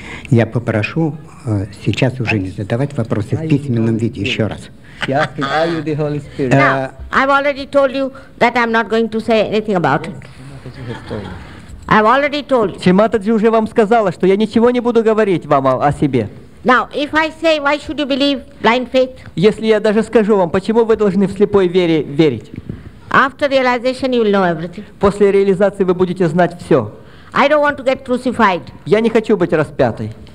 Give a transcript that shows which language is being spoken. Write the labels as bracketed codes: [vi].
[ru] Я попрошу сейчас уже не задавать вопросы в письменном виде еще раз. [en] I've already told you that I'm not going to say anything about it. I've already told you. [ru] Шри Матаджи уже вам сказала, что я ничего не буду говорить вам о себе. [en] Now, if I say, why should you believe blind faith? [ru] Если я даже скажу вам, почему вы должны в слепой вере верить? [en] After realization, you will know everything. [ru] После реализации вы будете знать все. [en] I don't want to get crucified. [ru] Я не хочу быть распятой.